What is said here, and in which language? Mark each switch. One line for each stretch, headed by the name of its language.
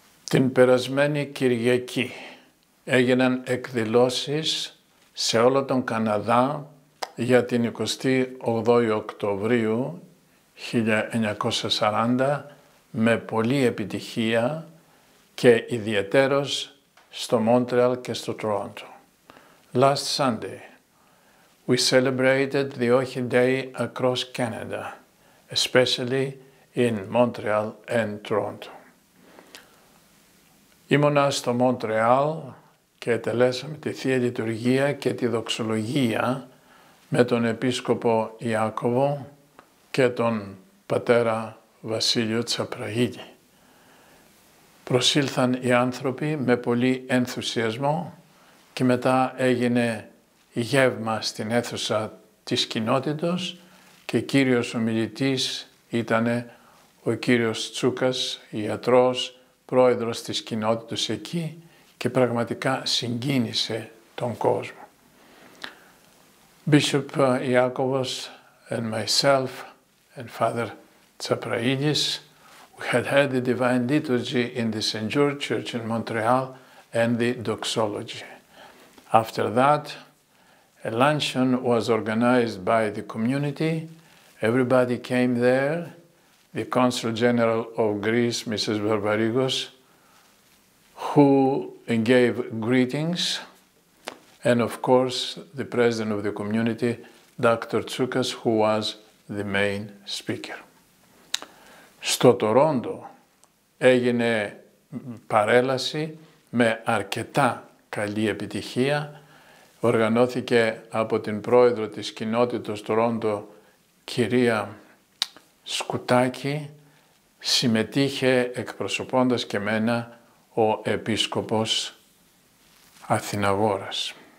Greek: Την περασμένη Κυριακή έγιναν εκδηλώσεις σε όλο τον Καναδά για την 28η Οκτωβρίου 1940 με πολλή επιτυχία και ιδιαιτέρως στο Μόντρεαλ και στο Τρόντο.
English: Last Sunday, we celebrated the Ochi Day across Canada, especially in Montreal and Toronto.
Greek: Ήμουνα στο Μοντρεάλ και τελέσαμε τη Θεία Λειτουργία και τη Δοξολογία με τον Επίσκοπο Ιάκωβο και τον Πατέρα Βασίλειο Τσαπραγίδη. Προσήλθαν οι άνθρωποι με πολύ ενθουσιασμό και μετά έγινε γεύμα στην αίθουσα της κοινότητος και κύριος ομιλητής ήτανε ο κύριος Τσούκας, ιατρός, πρόεδρος της κοινότητος εκεί και πραγματικά συγκίνησε τον κόσμο.
English: Bishop Ιάκωβος and myself and Father Τσαπραίνης, we had had the Divine Liturgy in the St. George Church in Montreal and the Doxology. After that, a luncheon was organized by the community. Everybody came there. The Consul General of Greece, Mrs. Barbarigos, who gave greetings. And of course, the President of the community, Dr. Tsoukas, who was the main speaker.
Greek: Στο Τορόντο έγινε παρέλαση με αρκετά καλή επιτυχία. Οργανώθηκε από την πρόεδρο της κοινότητος Τορόντο, κυρία Σκουτάκη, συμμετείχε εκπροσωπώντας και μένα ο επίσκοπος Αθηναγόρας.